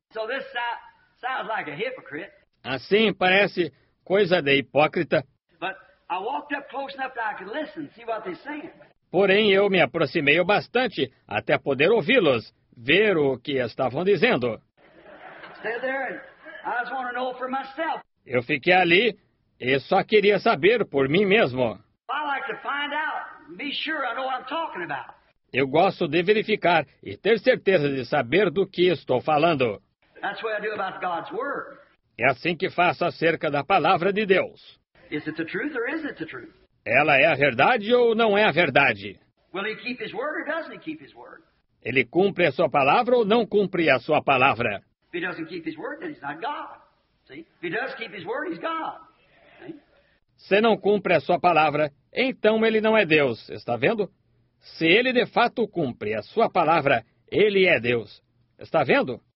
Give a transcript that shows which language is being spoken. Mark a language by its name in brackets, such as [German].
[English] So this sounds like a hypocrite. [Portuguese] Assim, parece coisa de hipócrita. [English] But I walked up close enough that I could listen, see what they're saying. [Portuguese] Porém, eu me aproximei o bastante até poder ouvi-los, ver o que estavam dizendo. [English] Stand there and I just want to know for myself. [Portuguese] Eu fiquei ali e só queria saber por mim mesmo. [English] I like to find out, be sure I know what I'm talking about. [Portuguese] Eu gosto de verificar e ter certeza de saber do que estou falando. [English] That's what I do about God's word. [Portuguese] É assim que faço acerca da palavra de Deus. [English] Is it the truth or is it the truth? [Portuguese] Ela é a verdade ou não é a verdade? [English] Will he keep his word or doesn't he keep his word? [Portuguese] Ele cumpre a sua palavra ou não cumpre a sua palavra? [English] If he doesn't keep his word, then he's not God. See? If he does keep his word, he's God. [Portuguese] Se não cumpre a sua palavra, então ele não é Deus. Está vendo? Se ele de fato cumpre a sua palavra, ele é Deus. Está vendo?